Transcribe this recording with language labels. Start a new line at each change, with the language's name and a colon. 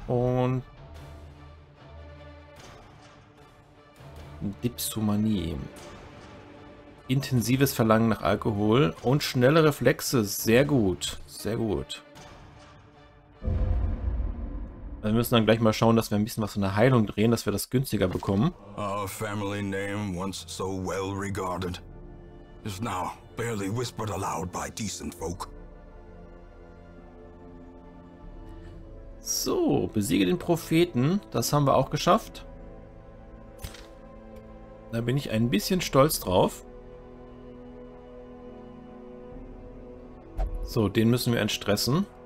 German: Und Dipsomanie. Intensives Verlangen nach Alkohol und schnelle Reflexe. Sehr gut. Sehr gut. Wir müssen dann gleich mal schauen, dass wir ein bisschen was in der Heilung drehen, dass wir das günstiger bekommen.
English: Our family name, once so well regarded, is now barely whispered aloud by decent folk.
German: So, besiege den Propheten. Das haben wir auch geschafft. Da bin ich ein bisschen stolz drauf. So, den müssen wir entstressen.